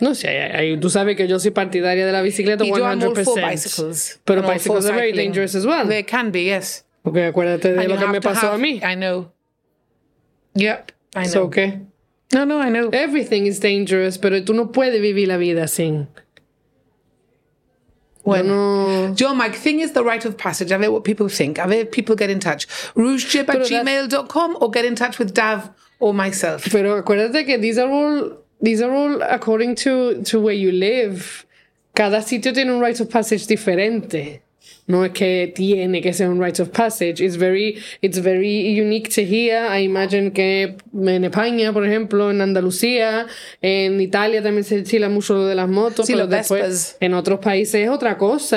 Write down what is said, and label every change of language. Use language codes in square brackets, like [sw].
[es] No sé, tú sabes que yo soy partidaria de la bicicleta 100%. [en] Four bicycles. [es] Pero [en] bicycles are very dangerous as well. They can be, yes. Okay, [es] acuérdate de lo que me pasó a mí. [en] I know. Yep, I know. It's okay. No, I know. Everything is dangerous, [es] pero tú no puedes vivir la vida sin. Bueno. [en] Joe, my thing is the rite of passage. I've heard what people think. I've heard people get in touch. RougeJib@gmail.com or get in touch with Dav or myself. [es] Pero acuérdate que [en] these are all according to where you live. [es] Cada sitio tiene un rite of passage diferente. No es que tiene que ser un rite of passage. [en] It's very unique to here. I imagine [es] que en España, por ejemplo, en Andalucía, en Italia también se estila mucho lo de las motos. Sí, pero después, en otros países es otra cosa.